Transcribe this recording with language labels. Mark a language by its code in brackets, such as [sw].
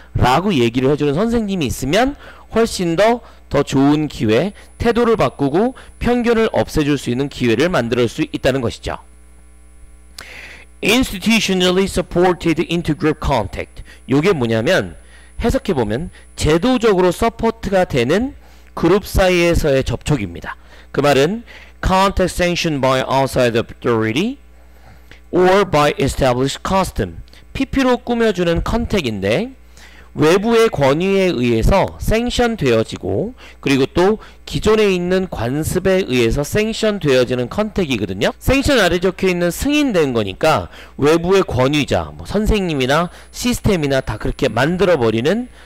[ko] 라고 얘기를 해주는 선생님이 있으면 훨씬 더 좋은 기회, 태도를 바꾸고 편견을 없애줄 수 있는 기회를 만들 수 있다는 것이죠. [en] Institutionally supported intergroup contact. [ko] 이게 뭐냐면 해석해 보면 제도적으로 서포트가 되는 그룹 사이에서의 접촉입니다. 그 말은 [en] contact sanctioned by outside authority or by established custom. [ko] PP로 꾸며주는 컨택인데 외부의 권위에 의해서 sanction 되어지고 그리고 또 기존에 있는 관습에 의해서 sanction 되어지는 컨택이거든요. sanction 아래 적혀있는 승인된 거니까 외부의 권위자, 뭐 선생님이나 시스템이나 다 그렇게 만들어버리는